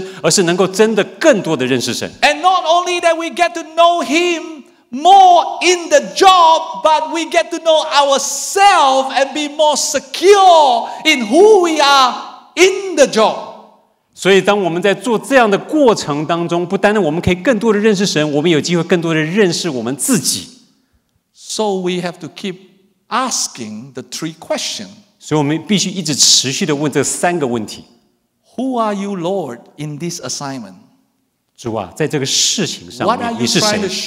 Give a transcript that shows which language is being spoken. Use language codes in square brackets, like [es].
[zh] 所以我们明白，当我们受差遣做事情的时候，那个重点不在于事情的本身，而是能够真的更多的认识神。 [en] And not only that we get to know Him more in the job, but we get to know ourselves and be more secure in who we are in the job. [zh] 所以当我们在做这样的过程当中，不单单我们可以更多的认识神，我们有机会更多的认识我们自己。 [en] So we have to keep asking the three questions. [zh] 所以我们必须一直持续地问这三个问题。 [en] Who are you, Lord, in this assignment? [zh] 主啊， 在这个事情上面你是谁？